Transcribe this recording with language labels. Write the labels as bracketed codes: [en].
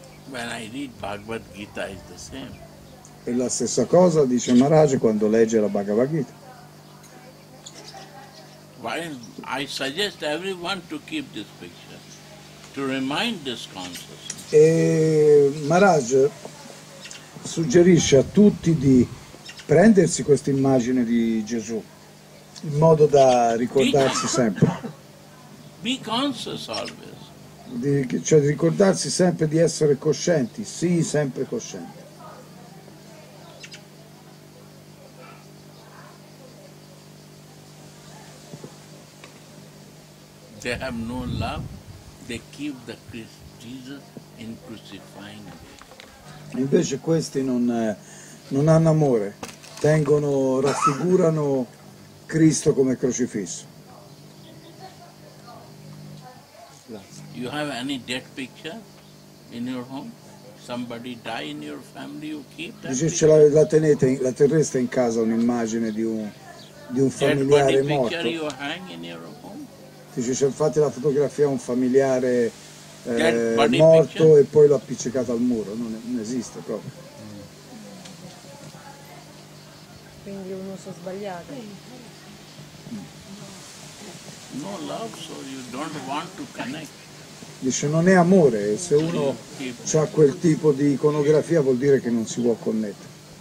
[en] When I read Bhagavad Gita is the same. [it] E la stessa cosa dice Maharaj quando legge la Bhagavad Gita. [en] Well, I suggest everyone to keep this picture, to remind this consciousness. [it] E Maharaj suggerisce a tutti di prendersi questa immagine di Gesù in modo da ricordarsi sempre. [en] Be conscious always. [it] Di ricordarsi sempre di essere coscienti, sii sempre cosciente. [en] They have no love, they keep the Christ Jesus in crucifying. [it] Invece questi non, non hanno amore, tengono, raffigurano Cristo come crocifisso. [en] You have any dead picture in your home? Somebody die in your family, you keep that. [it] Dice, ce la tenete, la terrestre in casa, un'immagine di un familiare morto. [en] Dead body picture you hang in your home? [it] Dice, se fate la fotografia a un familiare morto picture? E poi l'ho appiccicato al muro, non esiste proprio. Quindi un uso sbagliato. [en] No love, so you don't want to connect. [it] Dice, non è amore, se uno ha quel tipo di iconografia vuol dire che non si può connettere.